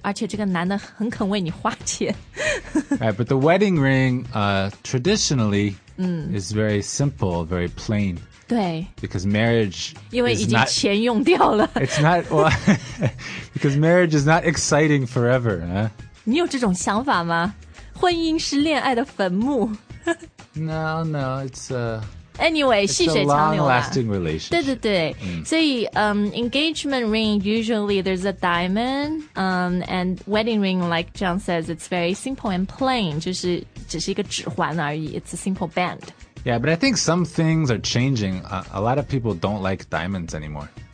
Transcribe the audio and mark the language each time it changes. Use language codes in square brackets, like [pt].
[zh] 而且这个男的很肯为你花钱。 [en] right. But the wedding ring, traditionally, is very simple, very plain. [zh] 对 [en] because marriage [zh] 因为已经钱用掉了 [en] It's not well, Because marriage is not exciting forever、 [zh] 你有这种想法吗婚姻是恋爱的坟墓 [en] No, it's a Anyway, it's [zh] 细水长流 [en] It's a long-lasting relationship [zh] 对对对、所以、 [en] engagement ring usually there's a diamond、and wedding ring like John says it's very simple and plain [zh] 就是只是一个指环而已 [en] It's a simple band Yeah, but I think some things are changing. A lot of people don't like diamonds anymore.